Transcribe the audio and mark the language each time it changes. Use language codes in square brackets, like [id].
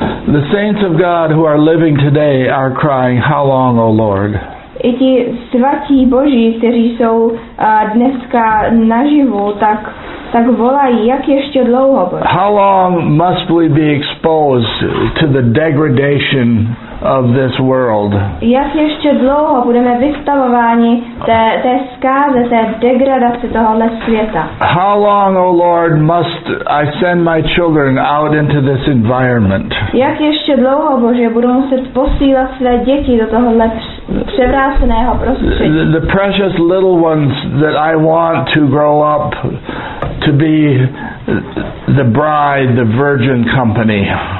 [en] The saints of God who are living today are crying, how long, O Lord? [cs] I ti svatí boží, kteří jsou dneska naživu, tak volají, jak ještě dlouho, Bože? [en] How long must we be exposed to the degradation of this world? [cs] Jak ještě dlouho budeme vystavováni té zkáze, té degradace tohohle světa? [en] How long, O Lord, must I send my children out into this environment? [cs] Jak ještě dlouho, Bože, budu muset posílat své děti do tohohle převráceného prostředí? [en] The precious little ones that I want to grow up to be the bride, the virgin company.